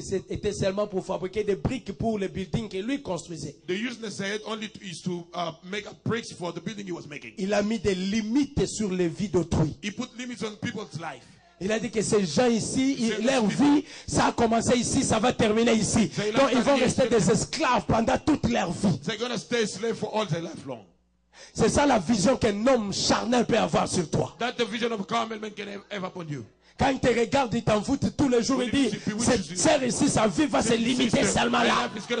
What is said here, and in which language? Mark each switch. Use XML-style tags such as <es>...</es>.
<fr>C'était seulement pour fabriquer des briques pour le building que lui construisait.</fr> <en>The useless said only to, is to make bricks for the building he was making.</en> <fr>Il a mis des limites sur les vies d'autrui.</fr> <en>He put limits on people's life.</en> <fr>Il a dit que ces gens ici, leur vie, ça a commencé ici, ça va terminer ici. Donc ils vont rester des esclaves pendant toute leur vie.</fr> <en>They're gonna stay slave for all their life long.</en> <fr>C'est ça la vision qu'un homme charnel peut avoir sur toi.</fr> <en>That's the vision of a carnal man can have upon you.</en> <fr>Quand il te regarde, il t'en fout tous les jours et dit, cette sœur ici, sa vie va se limiter seulement là.</fr>